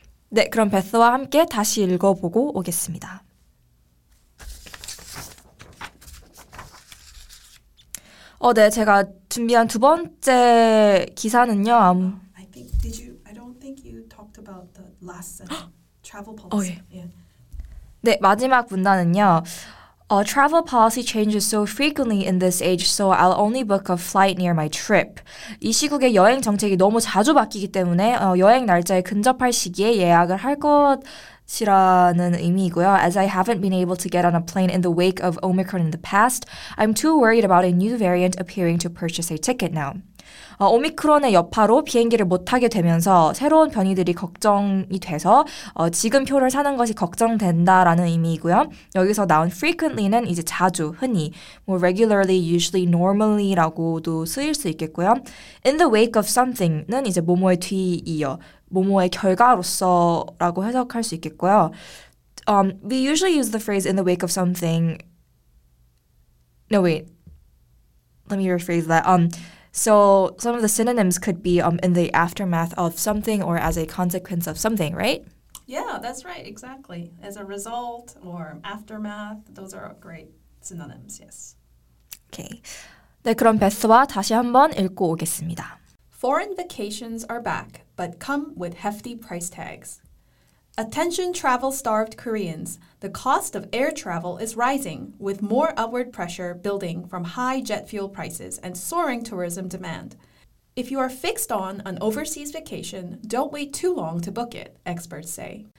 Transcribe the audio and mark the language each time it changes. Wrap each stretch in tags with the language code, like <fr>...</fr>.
<ko>네, 그럼 베스와 함께 다시 읽어보고 오겠습니다. Oh, 네, 제가 준비한 두 번째 기사는요.</ko> <en>I don't think you talked about the last sentence. Travel policy. Oh, yeah. Yeah.</en> <ko>네, 마지막 문단은요.</ko> <en>Travel policy changes so frequently in this age, so I'll only book a flight near my trip.</en> <ko>이 시국에 여행 정책이 너무 자주 바뀌기 때문에 여행 날짜에 근접할 시기에 예약을 할 것이라는 의미이고요.</ko> <en>As I haven't been able to get on a plane in the wake of Omicron in the past, I'm too worried about a new variant appearing to purchase a ticket now.</en> <ko>오미크론의 여파로 비행기를 못 타게 되면서 새로운 변이들이 걱정이 돼서 지금 표를 사는 것이 걱정된다라는 의미이고요. 여기서 나온 frequently는 이제 자주, 흔히, 뭐 regularly, usually, normally라고도 쓰일 수 있겠고요. In the wake of something는 이제 뭐뭐의 뒤이어, 뭐뭐의 결과로서라고 해석할 수 있겠고요.</ko> <en>We usually use the phrase in the wake of something. No, wait. Let me rephrase that. So some of the synonyms could be in the aftermath of something or as a consequence of something, right? Yeah, that's right, exactly. As a result or aftermath, those are great synonyms, yes. Okay.</en> <ko>네, 그럼 베스와 다시 한번 읽고 오겠습니다.</ko> <en>Foreign vacations are back, but come with hefty price tags. Attention travel-starved Koreans, the cost of air travel is rising, with more upward pressure building from high jet fuel prices and soaring tourism demand. If you are fixed on an overseas vacation, don't wait too long to book it, experts say.</en>